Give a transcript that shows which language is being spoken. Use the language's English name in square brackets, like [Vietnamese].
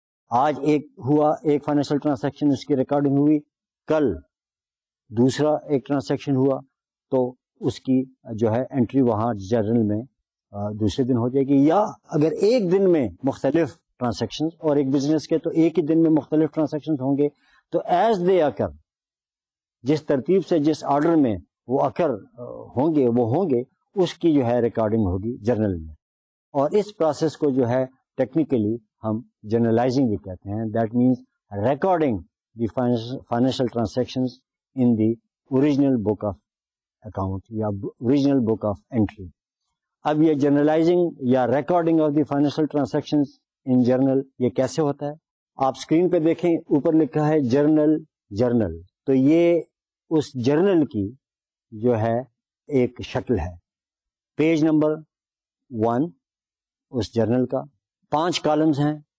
[Urdu] آج ایک ہوا ایک فائنینشیل ٹرانزیکشن اس کی ریکارڈنگ ہوئی, کل دوسرا ایک ٹرانزیکشن ہوا تو اس کی جو ہے انٹری وہاں جنرل میں دوسرے دن ہو جائے گی. یا اگر ایک دن میں مختلف ٹرانزیکشن اور ایک بزنس کے تو ایک ہی دن میں مختلف ٹرانزیکشن ہوں گے تو [English] as they occur [Urdu] جس ترتیب سے جس آرڈر میں وہ اکر ہوں گے وہ ہوں گے اس کی جو ہے ریکارڈنگ ہوگی جرنل میں. اور اس پروسیس کو جو ہے ٹیکنیکلی ہم جرنلائزنگ بھی کہتے ہیں. [English] That means recording the financial transaction in the original book of account یا original book of entry. [Urdu] اب یہ جرنلائزنگ یا [English] recording of the financial transaction in journal [Urdu] یہ کیسے ہوتا ہے؟ آپ اسکرین پہ دیکھیں اوپر لکھا ہے جرنل جرنل, تو یہ اس جرنل کی جو ہے ایک شکل ہے. پیج نمبر 1 اس جرنل کا, 5 کالمز ہیں.